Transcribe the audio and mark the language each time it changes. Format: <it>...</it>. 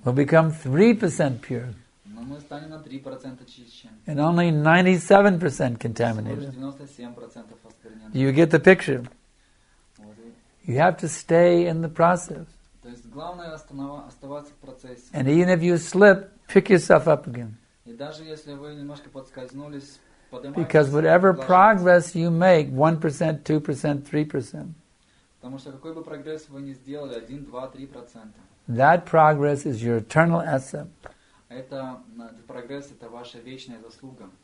<en>we'll become 3% pure.</en> <ru>Но мы станем на 3% чище.</ru> <en>And only 97% contaminated.</en> <ru>97% осквернены.</ru> <en>You get the picture. You have to stay in the process.</en> <ru>То есть главное оставаться в процессе.</ru> <en>And even if you slip, pick yourself up again.</en> <ru>И даже если вы немножко подскользнулись, поднимайтесь.</ru> <en>Because whatever progress you make, 1%, 2%, 3%.</en> <ru>Потому что какой бы прогресс вы ни сделали, 1, 2, 3%.</ru> <en>That progress is your eternal asset.</en> <ru>Это прогресс, это ваша вечная заслуга.</ru>